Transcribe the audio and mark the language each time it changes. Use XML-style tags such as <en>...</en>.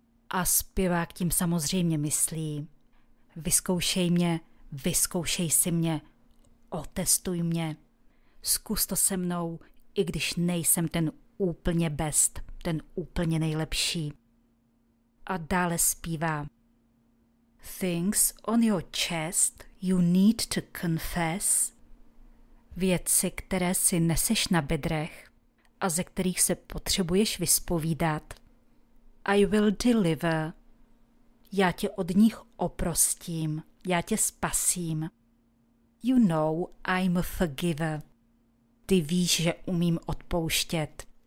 <cs>A zpěvák tím samozřejmě myslí vyzkoušej mě, vyzkoušej si mě, otestuj mě. Zkus to se mnou, i když nejsem ten úplně best, ten úplně nejlepší. A dále zpívá</cs> <en>things on your chest you need to confess.</en> <cs>Věci, které si neseš na bedrech a ze kterých se potřebuješ vyspovídat.</cs> <en>I will deliver.</en> <cs>Já tě od nich oprostím. Já tě spasím.</cs> <en>You know I'm a forgiver.</en> <cs>Ty víš, že umím odpouštět.</cs>